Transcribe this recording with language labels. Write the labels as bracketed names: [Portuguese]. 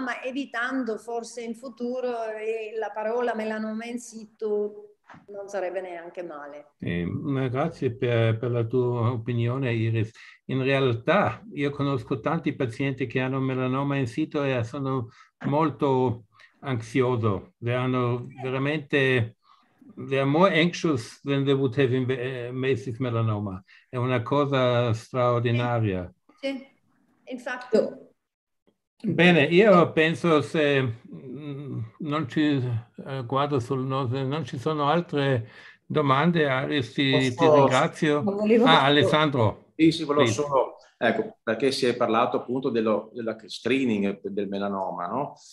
[Italian] Ma evitando forse in futuro la parola melanoma in situ non sarebbe neanche male. Grazie per la tua opinione, Iris. In realtà io conosco tanti pazienti che hanno melanoma in situ e sono molto ansioso. [English] They [Italian] hanno veramente... [English] They are more anxious than they would have invasive melanoma. [Italian] È una cosa straordinaria. Sì, infatti. Bene, io penso, se non ci guardo sul nostro, non ci sono altre domande, Aris, ti ringrazio. Alessandro. Sì, volevo solo Ecco, perché si è parlato appunto dello screening del melanoma, no?